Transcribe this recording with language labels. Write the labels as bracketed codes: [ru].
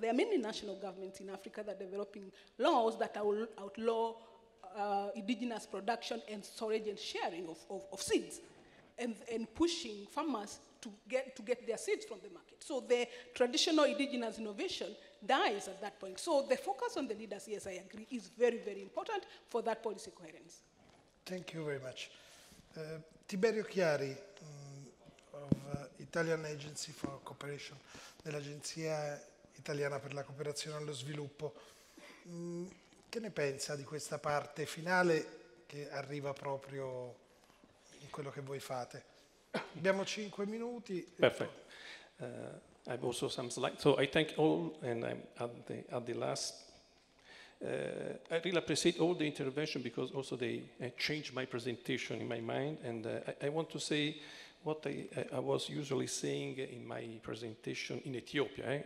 [en] There are many national governments in Africa that are developing laws that outlaw indigenous production and storage and sharing of seeds, and pushing farmers to get their seeds from the market. So the traditional indigenous innovation dies at that point. So the focus on the leaders, yes, I agree, is very, very important for that policy coherence. Thank you very much. [it] Tiberio Chiari, [en] of Italian Agency for Cooperation, [it] dell'Agenzia Italiana per la Cooperazione allo Sviluppo. Che ne pensa di questa parte finale che arriva proprio in quello che voi fate? Abbiamo 5 minuti. [en] Perfect. I have also some slides. So I thank all, and I'm at the last. I really appreciate all the intervention because also they changed my presentation in my mind. And I want to say what I was usually saying in my presentation in Ethiopia.